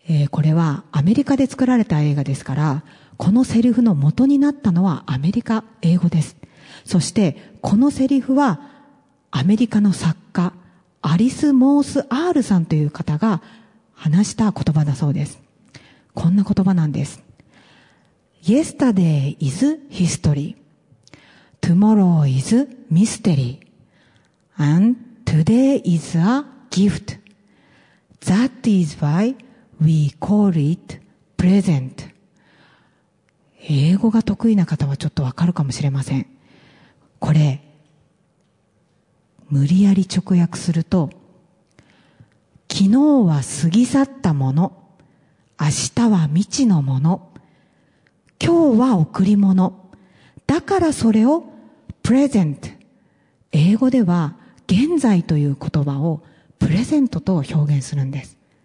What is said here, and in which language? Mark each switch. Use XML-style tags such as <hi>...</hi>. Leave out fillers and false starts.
<ja>これはアメリカで作られた映画ですから、このセリフの元になったのはアメリカ英語です。そしてこのセリフはアメリカの作家アリス・モース・アールさんという方が話した言葉だそうです。こんな言葉なんです。</ja> <en>Yesterday is historyTomorrow is mystery, and today is a gift. That is why we call it present.</en> <ja>英語が得意な方はちょっとわかるかもしれません。これ、無理やり直訳すると、昨日は過ぎ去ったもの、明日は未知のもの、今日は贈り物、だからそれをプレゼント、英語では現在という言葉をプレゼントと表現するんです。</ja>